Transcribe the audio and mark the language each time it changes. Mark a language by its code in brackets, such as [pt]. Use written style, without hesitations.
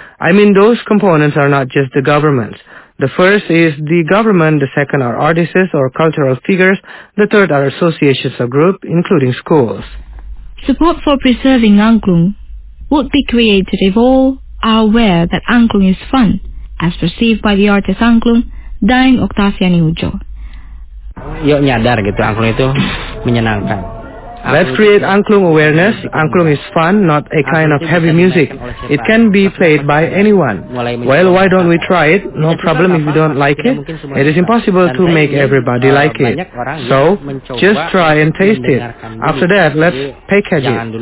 [en] I mean, those components are not just the government. The first is the government, the second are artists or cultural figures, the third are associations or groups, including schools. Support for preserving Angklung would be created if all are aware that Angklung is fun, as perceived by the artist Angklung, Daeng Oktasiani Ujo. [id] Yuk nyadar gitu, Angklung itu menyenangkan. [en] Let's create Angklung awareness. Angklung is fun, not a kind of heavy music. It can be played by anyone. Well, why don't we try it? No problem if you don't like it. It is impossible to make everybody like it. So, just try and taste it. After that, let's package it.